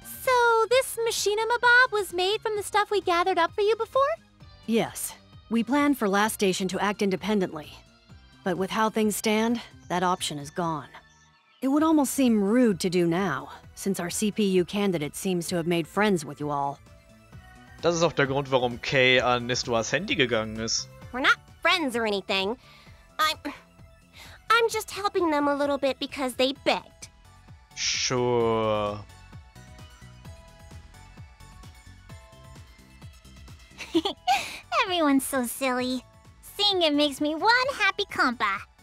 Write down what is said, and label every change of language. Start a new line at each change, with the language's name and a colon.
English: So, this machinimabob was made from the stuff we gathered up for you before? Yes. We planned for Last Station to act independently. But with how things stand, that option is gone. It would almost seem rude to do now, since our CPU candidate seems to have made friends with you all.
German: Das ist auch der Grund, warum Kay an Nistuas Handy gegangen ist.
English: We're not friends or anything. I'm just helping them a little bit because they begged. Sure. Everyone's so silly. Seeing it makes me one happy compa.